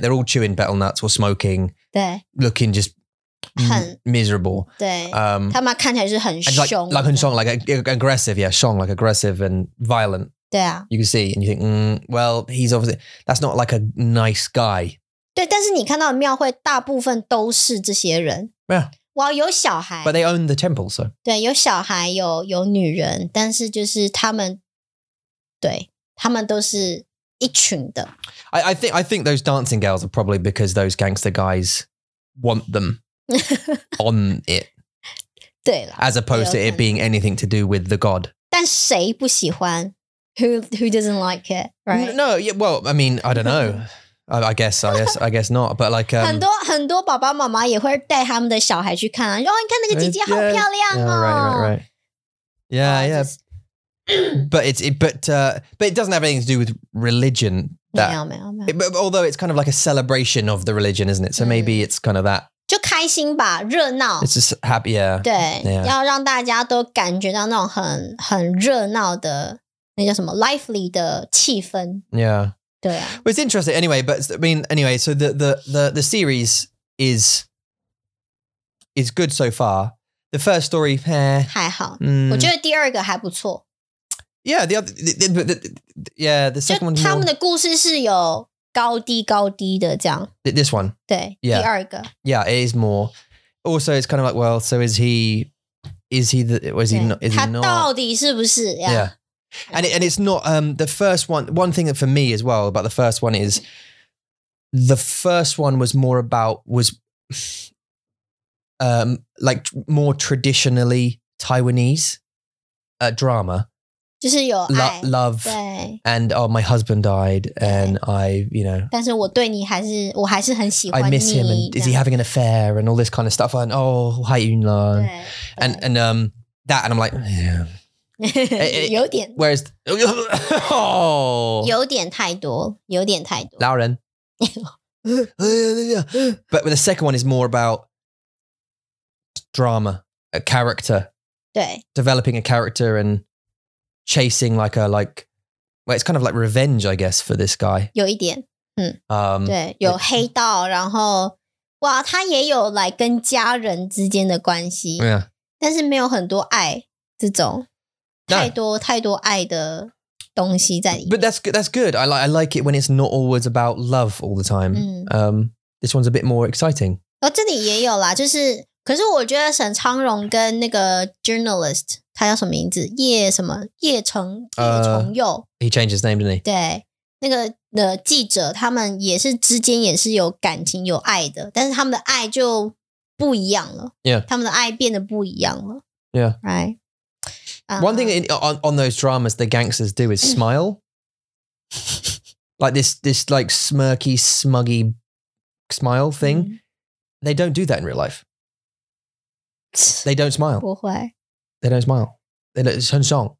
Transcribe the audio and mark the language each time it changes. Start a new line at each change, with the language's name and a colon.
English: They're all chewing betel nuts or smoking, looking just miserable.
Chinese: 他们看起来是很凶,
English: like aggressive, yeah, shong, like aggressive and violent. You can see and you think, well, he's obviously, that's not like a nice guy.
Chinese: 对，但是你看到庙会大部分都是这些人。
English: Yeah.
Chinese: Well, 有小孩,
English: but they own the temple, so.
Chinese: 对，有小孩，有女人，但是就是他们，对，他们都是。一群的.
English: I think those dancing girls are probably because those gangster guys want them on it.
Chinese: 对了,
English: as opposed to it being anything to do with the god.
Chinese: 但谁不喜欢?
English: Who doesn't like it, right? No, yeah, well, I mean, I don't know. I guess not, but like
Chinese: 很多爸爸妈妈也会带他们的小孩去看, 哦,你看那个姐姐好漂亮哦。
English: Yeah, right. Yeah, yeah. Just, but it doesn't have anything to do with religion. That,
Chinese: 没有,
English: but although it's kind of like a celebration of the religion, isn't it? So maybe it's kind of that.
Chinese: 就开心吧，热闹.
English: It's just happy, yeah.
Chinese: 对，要让大家都感觉到那种很热闹的，那叫什么 lively的气氛.
English: Yeah.
Chinese: 对啊.
English: Well, it's interesting. Anyway, but I mean, anyway, so the series is good so far. The first story,
Chinese: 还好，我觉得第二个还不错。
English: Yeah, the second one.
Chinese: 他们的故事是有高低高低的这样.
English: This one.
Chinese: 对,
English: yeah.
Chinese: 第二个.
English: Yeah, it is more. Also, it's kind of like, well, so is he not?
Chinese: 他到底是不是?Yeah.
English: Yeah. And it's not, the first one, one thing that for me as well about the first one is, the first one was more about, was like more traditionally Taiwanese drama.
Chinese: 就是有爱,
English: love,
Chinese: 对,
English: and oh, my husband died, and I, you know.
Chinese: 但是我对你还是, 我还是很喜欢你,
English: I miss him, and is he having an affair, and all this kind of stuff. And oh, hi, Yun Lan. And that, and I'm like, yeah.
Chinese: 有点,
English: whereas, oh.
Chinese: 有点太多, 有点太多。老人。
English: But the second one is more about drama, a character.
Chinese: 对。
English: Developing a character and... chasing like a, like, well, it's kind of like revenge, I guess, for this guy.
Chinese: 有一点，嗯，对，有黑道，然后，哇，他也有 like 跟家人之间的关系，但是没有很多爱，这种，太多，太多爱的东西在里面。
English: But that's good. I like it when it's not always about love all the time. This one's a bit more exciting.
Chinese: 哦，这里也有啦，就是，可是我觉得沈昌荣跟那个 journalist,他叫什么名字？叶什么？叶成叶崇佑。
English: He changed his name, didn't he?
Chinese: 对，那个的记者，他们也是之间也是有感情、有爱的，但是他们的爱就不一样了。
English: Yeah,
Chinese: 他们的爱变得不一样了。
English: Yeah, right. One thing on those dramas the gangsters do is smile, like this like smirky, smuggy smile thing. They don't do that in real life. They don't smile.
Chinese: 不会。
English: They don't smile. They look
Chinese: 很爽.